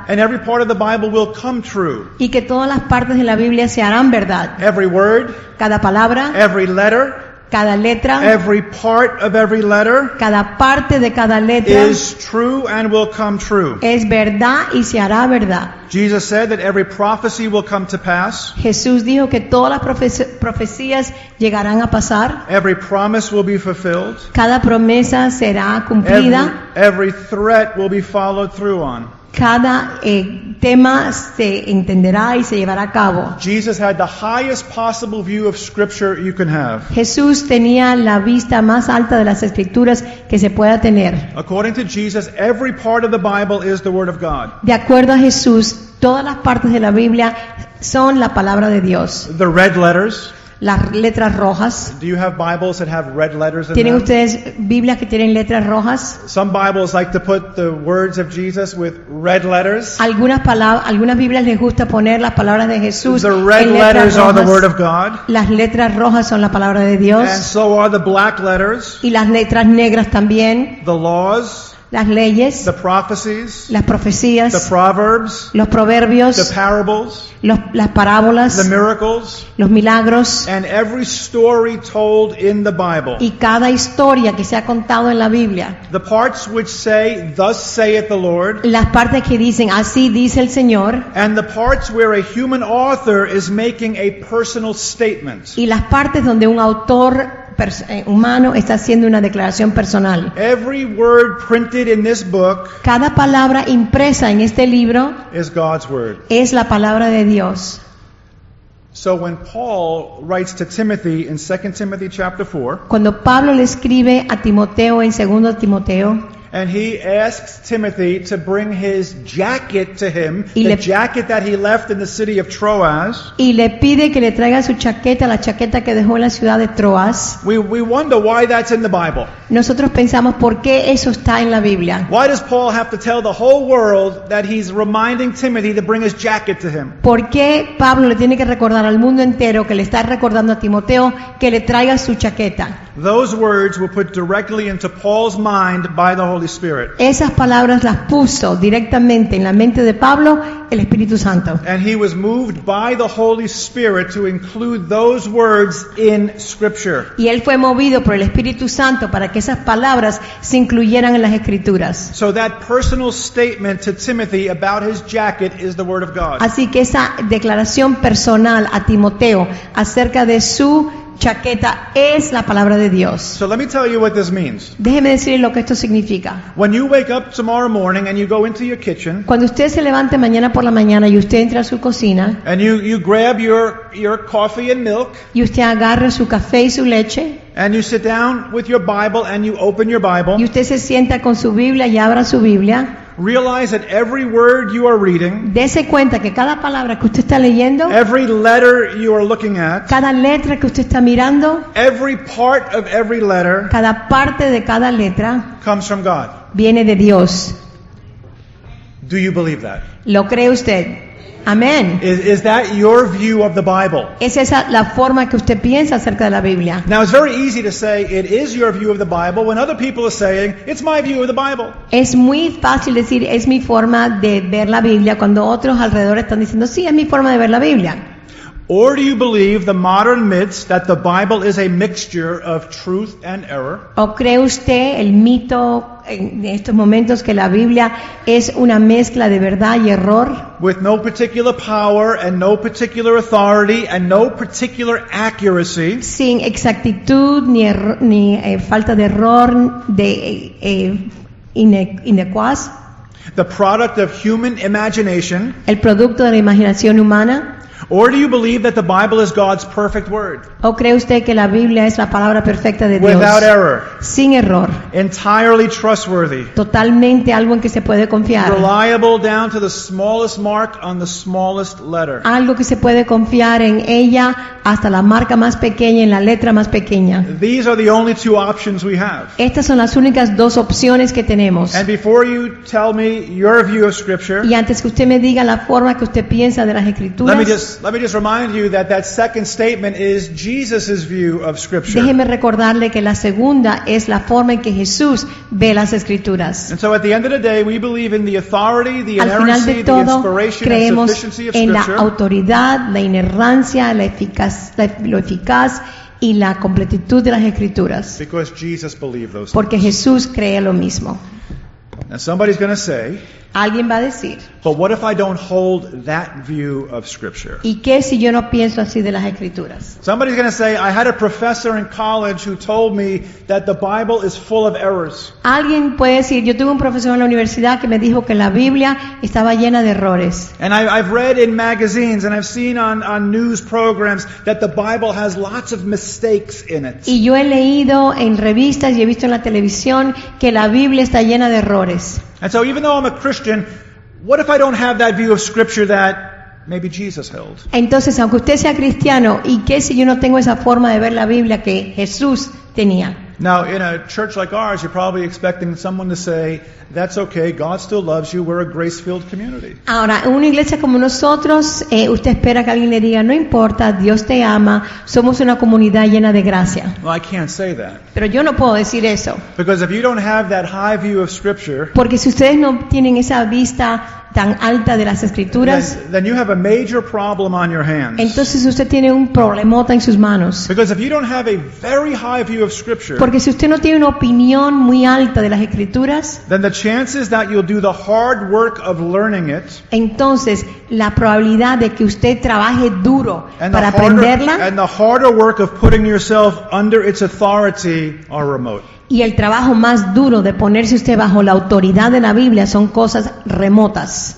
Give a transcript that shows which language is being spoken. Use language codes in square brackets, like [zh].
[en] And every part of the Bible will come true. [es] Y que todas las partes de la Biblia se harán verdad. [en] Every word. [es] Cada palabra. [en] Every letter. [es] Cada letra, [en] every part of every letter, [es] cada parte de cada letra, [en] is true and will come true. [es] Es verdad y se hará verdad. [en] Jesus said that every prophecy will come to pass. [es] Jesús dijo que todas las profecías llegarán a pasar. [en] Every promise will be fulfilled. [es] Cada promesa será cumplida. [en] Every threat will be followed through on. [es] Cada tema se entenderá y se llevará a cabo. [en] Jesus had the highest possible view of Scripture you can have. [es] Jesús tenía la vista más alta de las Escrituras que se pueda tener. [en] According to Jesus, every part of the Bible is the Word of God. [es] De acuerdo a Jesús, todas las partes de la Biblia son la palabra de Dios. [en] The red letters. [es] Las letras rojas. [en] Do you have Bibles that have red letters in [es] ¿Tienen [en] them? [es] Ustedes Biblias que tienen letras rojas? [en] Some Bibles like to put the words of Jesus with red letters. [es] Algunas Biblias les gusta poner las palabras de Jesús en letras rojas. [en] The red letters [es] rojas. [en] Are the Word of God. [es] Las letras rojas son la palabra de Dios. [en] And so are the black letters. [es] Y las letras negras también. [en] The laws. [es] Las leyes, [en] the prophecies, [es] las profecías, [en] the proverbs, [es] los proverbios, [en] the parables, [es] las parábolas, [en] the miracles, [es] los milagros, [en] and every story told in the Bible, [es] y cada historia que se ha contado en la Biblia, [en] the parts which say, "Thus saith the Lord," [es] las partes que dicen, "Así dice el Señor," [en] and the parts where a human author is making a personal statement, [es] y las partes donde un autor humano está haciendo una declaración personal. [en] Every word printed in this book, [es] cada palabra impresa en este libro, [en] is God's word. [es] Es la palabra de Dios. [en] So when Paul writes to Timothy in 2 Timothy chapter 4, [es] cuando Pablo le escribe a Timoteo en 2 Timoteo, [en] and he asks Timothy to bring his jacket to him, the jacket that he left in the city of Troas. [es] Y le pide que le traiga su chaqueta, la chaqueta que dejó en la ciudad de Troas. [en] We wonder why that's in the Bible. [es] Nosotros pensamos por qué eso está en la Biblia. [en] Why does Paul have to tell the whole world that he's reminding Timothy to bring his jacket to him? [es] ¿Por qué Pablo le tiene que recordar al mundo entero que le está recordando a Timoteo que le traiga su chaqueta? [en] Those words were put directly into Paul's mind by the Holy Spirit. [es] Esas palabras las puso directamente en la mente de Pablo el Espíritu Santo. [en] And he was moved by the Holy Spirit to include those words in Scripture. [es] Y él fue movido por el Espíritu Santo para que esas palabras se incluyeran en las Escrituras. [en] So that personal statement to Timothy about his jacket is the Word of God. [es] Así que esa declaración personal a Timoteo acerca de su chaqueta es la palabra de Dios. [en] So let me tell you what this means. [es] Déjeme decirle lo que esto significa. [en] When you wake up tomorrow morning and you go into your kitchen, [es] cuando usted se levante mañana por la mañana y usted entra a su cocina, [en] and you grab your coffee and milk, [es] y usted agarra su café y su leche, [en] and you sit down with your Bible and you open your Bible, [es] y usted se sienta con su Biblia y abra su Biblia, [en] realize that every word you are reading, [es] dese cuenta que cada palabra que usted está leyendo, [en] every letter you are looking at, [es] cada letra que usted está mirando, [en] every part of every letter, [es] cada parte de cada letra, [en] comes from God. [es] Viene de Dios. [en] Do you believe that? [es] ¿Lo cree usted? Amen. [en] Is that your view of the Bible? [es] ¿Es esa la forma que usted piensa acerca de la Biblia? [en] Now it's very easy to say it is your view of the Bible when other people are saying it's my view of the Bible. [es] Es muy fácil decir es mi forma de ver la Biblia cuando otros alrededor están diciendo sí, es mi forma de ver la Biblia. [en] Or do you believe the modern myths that the Bible is a mixture of truth and error? [es] ¿O cree usted el mito en estos momentos que la Biblia es una mezcla de verdad y error? [en] With no particular power and no particular authority and no particular accuracy. [es] Sin exactitud ni falta de error de inequaz. [en] The product of human imagination. [es] El producto de la imaginación humana. [en] Or do you believe that the Bible is God's perfect word? [es] ¿O cree usted que la Biblia es la palabra perfecta de Dios? [en] Without error. [es] Sin error. [en] Entirely trustworthy. [es] Totalmente algo en que se puede confiar. [en] Reliable down to the smallest mark on the smallest letter. [es] Algo que se puede confiar en ella hasta la marca más pequeña en la letra más pequeña. [en] These are the only two options we have. [es] Estas son las únicas dos opciones que tenemos. [en] And before you tell me your view of scripture. [es] Y antes que usted me diga la forma que usted piensa de las escrituras. [en] Let me just remind you that that second statement is Jesus' view of Scripture. [es] Déjeme recordarle que la segunda es la forma en que Jesús ve las Escrituras. [en] And so at the end of the day, we believe in the authority, the inerrancy, [es] al final de todo, [en] the inspiration, and sufficiency of Scripture. [es] Creemos en la autoridad, la inerrancia, lo eficaz y la completitud de las Escrituras. [en] Because Jesus believed those things. [es] Porque Jesús cree lo mismo. [en] Now somebody's going to say, [es] alguien va a decir, [en] but what if I don't hold that view of Scripture? [es] ¿Y qué si yo no pienso así de las Escrituras? [en] Somebody's going to say, I had a professor in college who told me that the Bible is full of errors. [es] Alguien puede decir, yo tuve un profesor en la universidad que me dijo que la Biblia estaba llena de errores. [en] And I've read in magazines and I've seen on news programs that the Bible has lots of mistakes in it. [es] Y yo he leído en revistas y he visto en la televisión que la Biblia está llena de errores. [en] And so even though I'm a Christian, what if I don't have that view of Scripture that maybe Jesus held? [es] Entonces, aunque usted sea cristiano, ¿y qué si yo no tengo esa forma de ver la Biblia que Jesús tenía? [en] Now, in a church like ours, you're probably expecting someone to say, that's okay, God still loves you, we're a grace-filled community. [es] Ahora, en una iglesia como nosotros, usted espera que alguien le diga, no importa, Dios te ama, somos una comunidad llena de gracia. [en] Well, I can't say that. [es] Pero yo no puedo decir eso. [en] Because if you don't have that high view of Scripture, [es] porque si ustedes no tienen esa vista tan alta de las Escrituras, [en] then you have a major problem on your hands. [es] Entonces usted tiene un problemota en sus manos. [en] Because if you don't have a very high view of Scripture, [es] porque si usted no tiene una opinión muy alta de las Escrituras, [en] then the chances that you'll do the hard work of learning it, [es] entonces la probabilidad de que usted trabaje duro para aprenderla, [en] and the harder work of putting yourself under its authority are remote. [es] Y el trabajo más duro de ponerse usted bajo la autoridad de la Biblia son cosas remotas.